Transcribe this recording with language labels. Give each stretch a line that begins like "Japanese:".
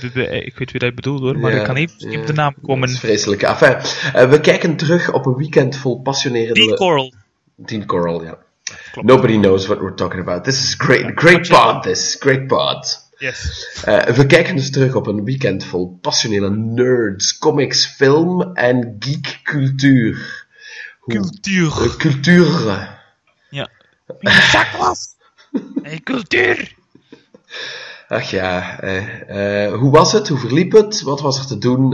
Dutch: Ik weet wie dat bedoelt hoor, maar ja, ik kan niet op de naam komen. Dat is vreselijk. Enfin, we kijken terug op een weekend vol passionerende... Team Coral, ja. Klopt.
English: Nobody knows what we're talking about. This is great, great pod, this is great pod. Yes.
Dutch: We kijken dus terug op een weekend vol passionele nerds, comics, film en geek cultuur. Cultuur. Cultuur. Ja. Zak was. Hey, cultuur. Ach ja. Hoe was het? Hoe verliep het? Wat was er te doen?